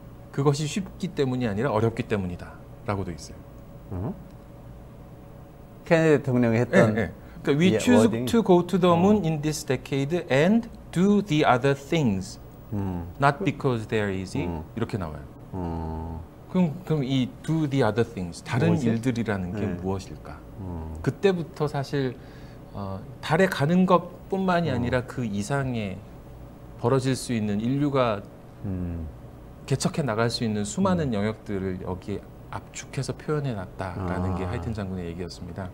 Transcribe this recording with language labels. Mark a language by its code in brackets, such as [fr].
[ko] 그것이 쉽기 때문이 아니라 어렵기 때문이다. 라고 돼 있어요. 케네디 대통령이 했던 네, 네. 그러니까 [en] We choose wording. to go to the moon in this decade and do the other things. Not because they are easy. [ko] 이렇게 나와요. 그럼 이 [en] do the other things, [ko] 다른 뭐지? 일들이라는 게 네. 무엇일까? 그때부터 사실 달에 가는 것뿐만이 아니라 그 이상의 벌어질 수 있는 인류가 개척해 나갈 수 있는 수많은 영역들을 여기에 압축해서 표현해 놨다라는 게 하이튼 장군의 얘기였습니다.